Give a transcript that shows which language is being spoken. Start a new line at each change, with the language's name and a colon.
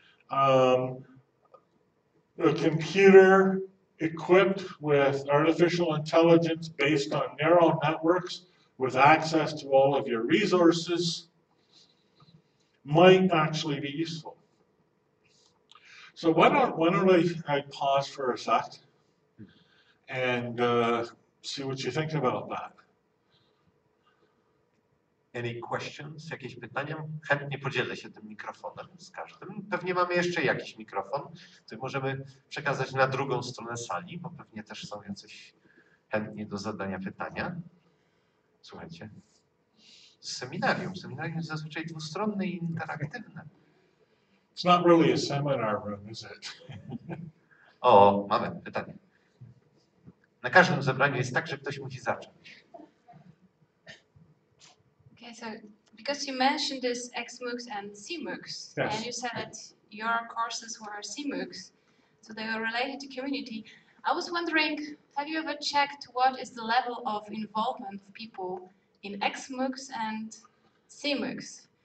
English: A computer equipped with artificial intelligence based on neural networks with access to all of your resources might actually be useful. So why don't I pause for a sec and see what you think about that. Any questions?
Polish: Jakieś pytania? Chętnie podzielę się tym mikrofonem z każdym. Pewnie mamy jeszcze jakiś mikrofon, który możemy przekazać na drugą stronę sali, bo pewnie też są jacyś chętni do zadania pytania. Słuchajcie, seminarium jest zazwyczaj dwustronne i interaktywne.
English: It's not really a seminar room, is it?
Polish: O, mamy pytanie. Na każdym zebraniu jest tak, że ktoś musi zacząć.
English: Okay, so because you mentioned this XMOOCs and CMOOCs, yes. And you said that your courses were CMOOCs, so they were related to community. I was wondering, have you ever checked what is the level of involvement of people in XMOOCs and CMOOCs?